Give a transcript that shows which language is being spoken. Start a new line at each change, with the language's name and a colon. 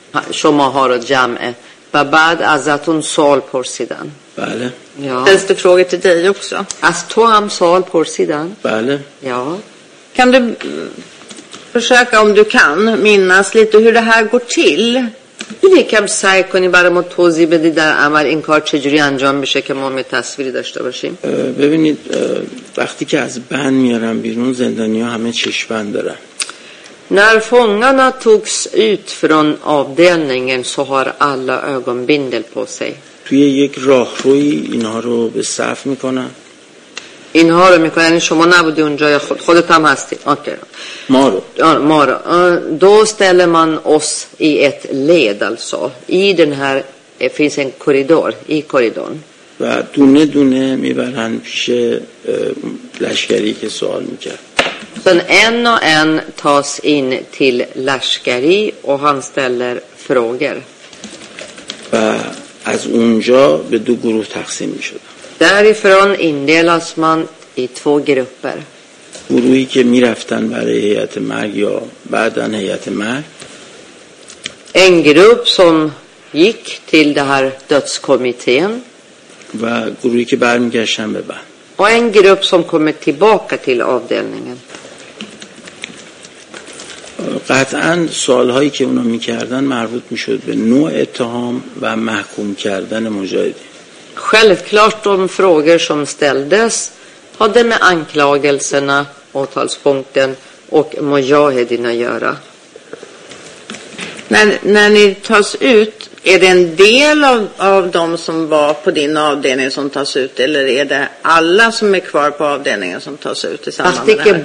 Persian: Shoma har och jam'e. Va bad azatun sal porsidan. بله.
Swedish: Ja. Ställs det frågor till dig också? Alltså två amsal på sidan.
Persian: Bale.
Swedish: Ja. Kan du försöka om du kan minnas lite hur det här går till? Ni kan säga kan ni bara mot
Persian: توضیح بدید در عمل این کار چجوری انجام میشه که ما می تصویری داشته باشیم. ببینید وقتی که از بند میارن بیرون زندانیا همه چشم بند دارن.
Swedish: När fångarna togs ut från avdelningen så har alla ögonbindel på sig.
Persian: توی یک راهروی اینها رو به صف میکنن. اینها رو میکنن. یعنی شما نبودی اونجا یا خودت هم هستی. اوکی. ما رو.
Swedish: Då ställer man oss i ett led alltså. I den här finns en korridor, i korridorn.
Persian: و دونه دونه میبرن پیش لشکری که سوال میکرد.
Swedish: Sen en och en tas in till Lashkari och han ställer frågor.
Persian: از اونجا به دو گروه تقسیم میشد.
Swedish: Därifrån indelas man i två grupper.
Persian: گروهی که میرفتن برای هیئت مرگ یا بعدن هیئت مرگ.
Swedish: En grupp som gick till det här dödskommittén.
Persian: و گروهی که برمیگشتن به بعد.
Swedish: Och en grupp som kommer tillbaka till avdelningen.
Persian: قطعاً سوال‌هایی که اونا می‌کردن مربوط می‌شد به نوع اتهام و محکوم کردن مجاهدین.
Swedish: Självklart de frågor som ställdes hade med anklagelserna, åtalspunkten och mujahedin att göra. När ni tas ut, är det en del av de som var på din avdelning som tas ut eller är det alla som är kvar på avdelningen som tas ut i samband med det här?